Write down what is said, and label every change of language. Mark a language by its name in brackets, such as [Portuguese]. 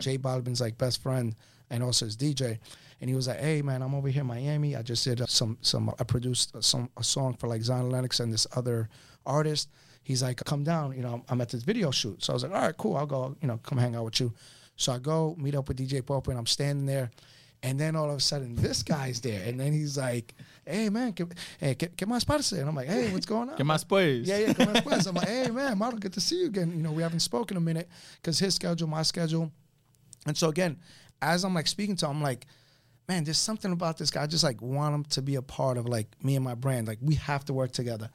[English] Jay Balvin's like best friend and also his DJ. And he was like, hey, man, I'm over here in Miami. I just did I produced a song for like Zion Lennox and this other artist. He's like, come down. You know, I'm at this video shoot. So I was like, all right, cool. I'll go, you know, come hang out with you. So I go meet up with DJ Pope and I'm standing there. And then all of a sudden, this guy's there. And then he's like, hey, man, [Spanish] ¿qué más parece? [English] And I'm like, hey, what's going on? [Spanish] ¿Qué más pues? Yeah, ¿qué más pues? [English] I'm like, hey, man, Mauro, good to see you again. You know, we haven't spoken a minute because his schedule, my schedule. And so again, as I'm like speaking to him, I'm like, man, there's something about this guy. I just like want him to be a part of like me and my brand. Like, we have to work together.